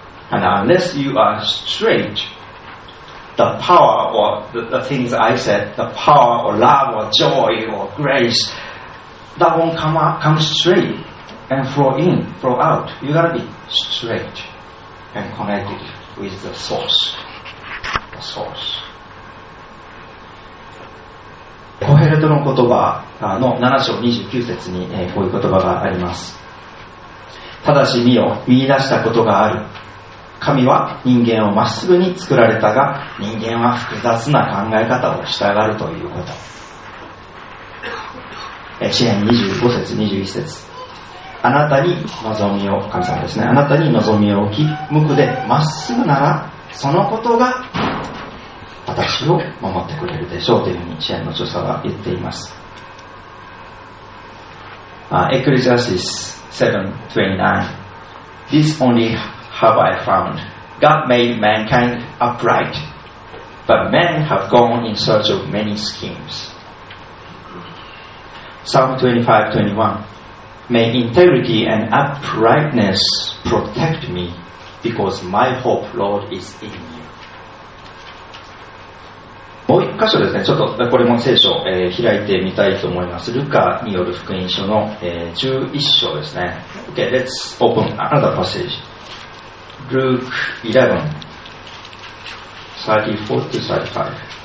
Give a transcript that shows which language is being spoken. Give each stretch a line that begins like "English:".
English: And unless you are straight, the power or the things I said, the power or love or joy or grace, that won't come up, come straight and flow in, flow out. You gotta be straight and connected with the source. The source.
Japanese: コヘレトの言葉の7章29節にこういう言葉があります。ただし身を見出したことがある。神は人間をまっすぐに作られたが、人間は複雑な考え方を従うということ。詩編25節21節、あなたに望みを、神様ですね、あなたに望みを置き、無垢でまっすぐなら、そのことが私を守ってくれるでしょうというふうに詩編の著者は言っています。
English: Ecclesiastes 7:29 This only have I found: God made mankind upright, but men have gone in search of many schemes. Psalm 25:21 May integrity and uprightness protect me, because my hope, Lord, is in you.
Japanese: もう一箇所ですね、ちょっとこれも聖書、開いてみたいと思います。ルカによる福音書の、11章ですね。
English: OK, let's open another passage. Luke 11:34-35.